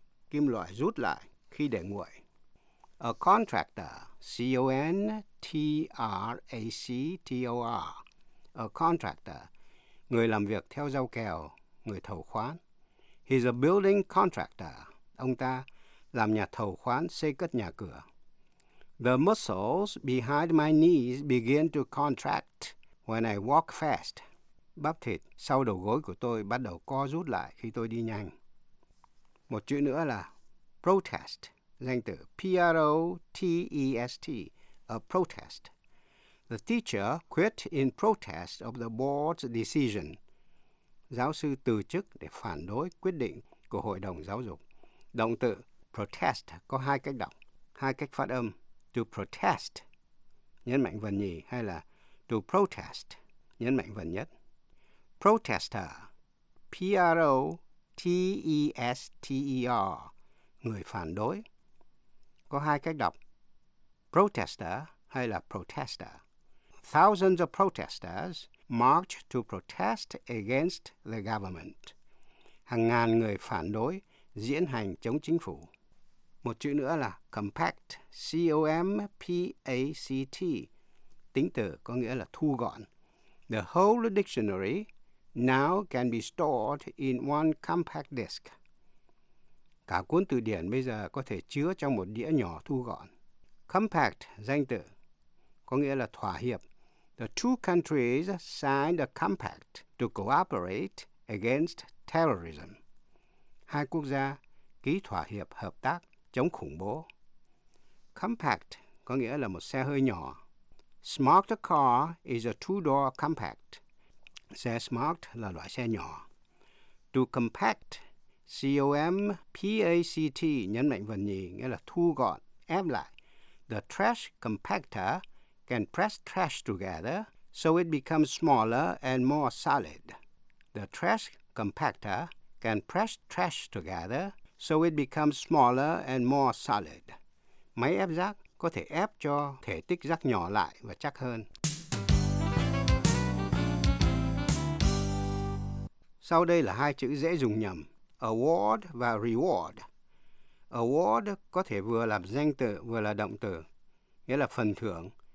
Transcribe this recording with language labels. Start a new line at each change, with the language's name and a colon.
Vietnamese: Kim loại rút lại khi để nguội. A contractor, C-O-N-T-R-A-C-T-O-R. A contractor, người làm việc theo giao kèo, người thầu khoán.
English: He's a building contractor.
Vietnamese: Ông ta làm nhà thầu khoán xây cất nhà cửa.
English: The muscles behind my knees begin to contract when I walk fast.
Vietnamese: Bắp thịt sau đầu gối của tôi bắt đầu co rút lại khi tôi đi nhanh. Một chữ nữa là protest, danh từ P-R-O-T-E-S-T, a protest.
English: The teacher quit in protest of the board's decision.
Vietnamese: Giáo sư từ chức để phản đối quyết định của hội đồng giáo dục. Động từ protest có hai cách đọc, hai cách phát âm. To protest, nhấn mạnh vần nhì, hay là to protest, nhấn mạnh vần nhất. Protester, P-R-O-T-E-S-T-E-R, người phản đối. Có hai cách đọc, protester hay là protester.
English: Thousands of protesters marched to protest against the government.
Vietnamese: Hàng ngàn người phản đối diễn hành chống chính phủ. Một chữ nữa là compact, C-O-M-P-A-C-T. Tính từ có nghĩa là thu gọn.
English: The whole dictionary now can be stored in one compact disk.
Vietnamese: Cả cuốn từ điển bây giờ có thể chứa trong một đĩa nhỏ thu gọn. Compact, danh từ, có nghĩa là thỏa hiệp.
English: The two countries signed a compact to cooperate against terrorism.
Vietnamese: Hai quốc gia ký thỏa hiệp hợp tác chống khủng bố. Compact có nghĩa là một xe hơi nhỏ.
English: Smart car is a two-door compact.
Vietnamese: Xe smart là loại xe nhỏ. To compact, C-O-M-P-A-C-T, nhấn mạnh vần nhì, nghĩa là thu gọn, ép lại.
English: The trash compactor can press trash together so it becomes smaller and more solid. The trash compactor can press trash together so it becomes smaller and more solid.
Vietnamese: Máy ép rác có thể ép cho thể tích rác nhỏ lại và chắc hơn. Sau đây là hai chữ dễ dùng nhầm, award và reward. Award có thể vừa làm danh từ vừa là động từ, nghĩa là phần thưởng.